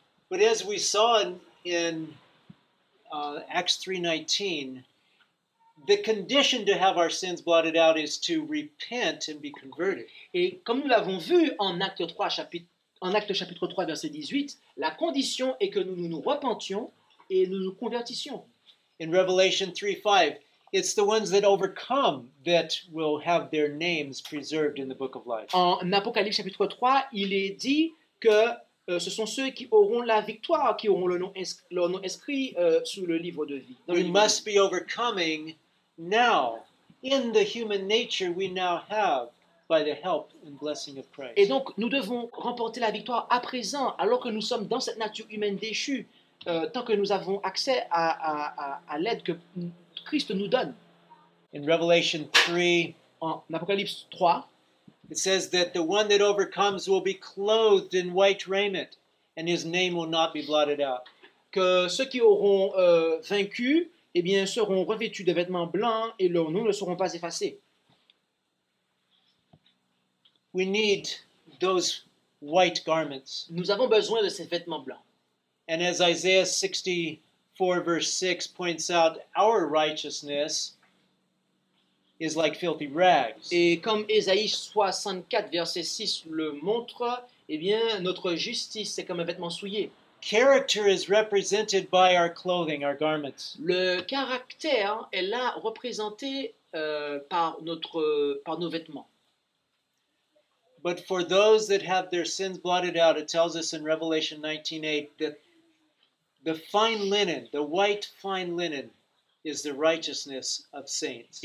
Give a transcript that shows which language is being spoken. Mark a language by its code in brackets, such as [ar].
[en] But as we saw in Acts 3:19, the condition to have our sins blotted out is to repent and be converted. [fr] Et comme nous l'avons vu en Actes chapitre 3, verset 18, la condition est que nous repentions et nous nous convertissions. [en] In Revelation 3:5, it's the ones that overcome that will have their names preserved in the book of life. [fr] En Apocalypse chapitre 3, il est dit que ce sont ceux qui auront la victoire qui auront leur nom inscrit sous le livre de vie. [en] We must be overcoming now in the human nature we now have by the help and blessing of Christ. [fr] Et donc, nous devons remporter la victoire à présent, alors que nous sommes dans cette nature humaine déchue, tant que nous avons accès à l'aide que Christ nous donne. [en] In Revelation 3, [fr] en Apocalypse 3, [en] it says that the one that overcomes will be clothed in white raiment, and his name will not be blotted out. [fr] Que ceux qui auront vaincu, eh bien, seront revêtus de vêtements blancs, et leurs noms ne seront pas effacés. [en] We need those white garments. [fr] Nous avons besoin de ces vêtements blancs. [en] And as Isaiah 64 verse 6 points out, our righteousness is like filthy rags. [fr] Et comme Ésaïe 64 verset 6 le montre, eh bien notre justice c'est comme un vêtement souillé. [en] Character is represented by our clothing, our garments. [fr] Le caractère est là représenté par nos vêtements. [en] But for those that have their sins blotted out, it tells us in Revelation 19:8 that the fine linen, the white fine linen, is the righteousness of saints.